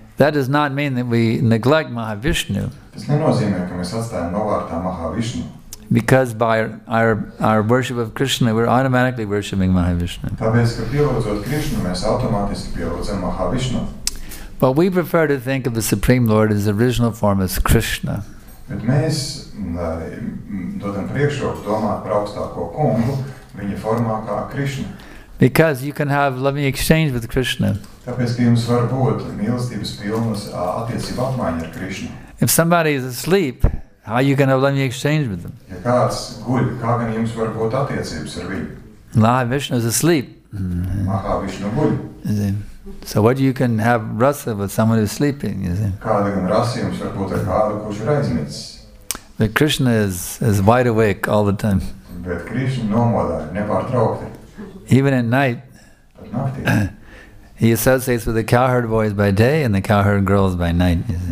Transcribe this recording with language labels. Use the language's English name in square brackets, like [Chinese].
[English] That does not mean that we neglect Mahavishnu. [Latvian] Tas nenozīmē, ka mēs atstājam novārtā Mahavishnu. [English] Because by our worship of Krishna, we're automatically worshiping Mahavishnu. [Latvian] Tāpēc, ka pielūdzot Krishna, mēs automātiski pielūdzam Mahavishnu. [English] But we prefer to think of the Supreme Lord in his original form as Krishna. [Latvian] Bet mēs dodam priekšroku domāt par augstāko kungu viņa formā kā Krishna. [English] Because you can have loving exchange with Krishna. [Latvian] Tāpēc, ka jums var būt mīlestības pilnas attiecība apmaiņa ar Krishna. [English] If somebody is asleep, how you can have loving exchange with them? [Latvian] Ja kāds guļ, kā gan jums var būt attiecības ar viņu? [English] Mahavishnu is asleep. [Latvian] Mahavishnu guļ. [English] So what you can have rasa with someone who is sleeping, you see? [Latvian] Kāda gan rasa jums var būt ar kādu, kurš ir aizmirs? [English] But Krishna is wide awake all the time. [Latvian] Bet Krishna nomodā, nepārtraukti. [English] Even at night. [Latvian] Pat naktī. [English] He associates with the cowherd boys by day and the cowherd girls by night, you see?